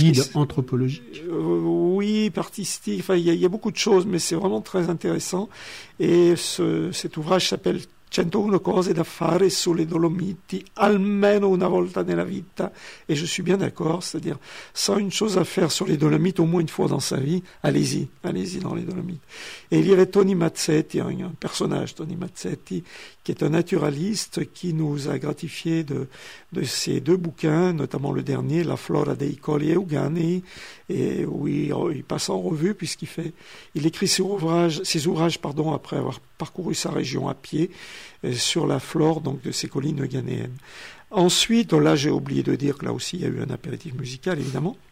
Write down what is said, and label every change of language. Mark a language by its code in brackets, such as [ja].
[fr] Un guide anthropologique. Oui, artistique. Enfin, il y a beaucoup de choses, mais c'est vraiment très intéressant. Et cet ouvrage s'appelle [it] 101 cose da fare sulle Dolomiti, almeno una volta nella vita. [fr] Et je suis bien d'accord, c'est-à-dire 101 choses à faire sur les Dolomites au moins une fois dans sa vie. Allez-y dans les Dolomites. Et il y avait Tony Mazzetti, un personnage, Tony Mazzetti, qui est un naturaliste qui nous a gratifié de ses 2 bouquins, notamment le dernier, La Flora dei Colli Euganei, et où il passe en revue, puisqu'il écrit ses ouvrages, après avoir parcouru sa région à pied, sur la flore donc de ces collines euganéennes. Ensuite, là j'ai oublié de dire que là aussi il y a eu un apéritif musical, évidemment.